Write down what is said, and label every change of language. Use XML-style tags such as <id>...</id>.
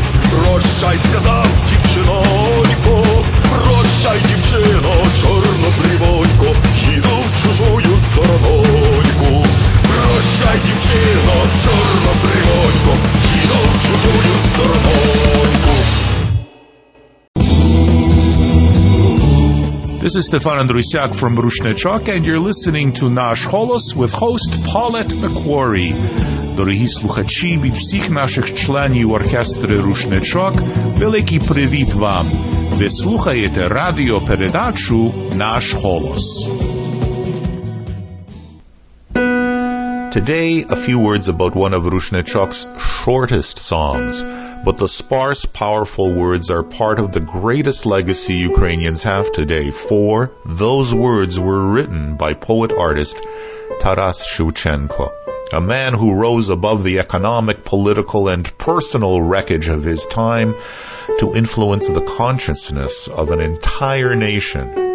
<uk>Прощай, сказав дівчинонько, прощай, дівчино, чорнобривонько, їду в чужую сторононьку. Прощай, дівчино, чорнобривонько, їду в чужую сторононьку.</uk> <en>This is Stefan Andrusiak from Rushnechok, and you're listening to Nash Holos with host Paulette McQuarrie.</en> <uk>Дорогі слухачі від всіх наших членів оркестри «Рушничок», великий привіт вам! Ви слухаєте радіопередачу «Наш голос».</uk> <en>Today, a few words about one of Rushnichuk's shortest songs. But the sparse, powerful words are part of the greatest legacy Ukrainians have today, for those words were written by poet-artist Taras Shevchenko, a man who rose above the economic, political, and personal wreckage of his time to influence the consciousness of an entire nation.</en>